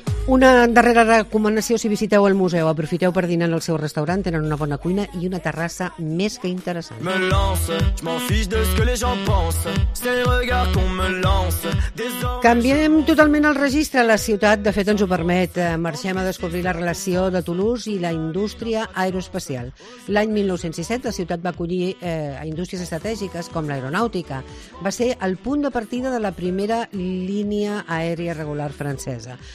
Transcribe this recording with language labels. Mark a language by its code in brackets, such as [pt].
[ca] Una darrera recomanació: si visiteu el museu, aprofiteu per dinar en el seu restaurant, tenen una bona cuina i una terrassa més que interessant. [fr] Me lance, je m'en fiche de ce que les gens pensent, c'est le regard qu'on me lance. [ca] Canviem totalment el registre, la ciutat de fet ens ho permet. Marxem a descobrir la relació de Toulouse i la indústria aeroespacial. L'any 1907 la ciutat va acollir indústries estratègiques com l'aeronàutica. Va ser el punt de partida de la primera línia aèria regular francesa.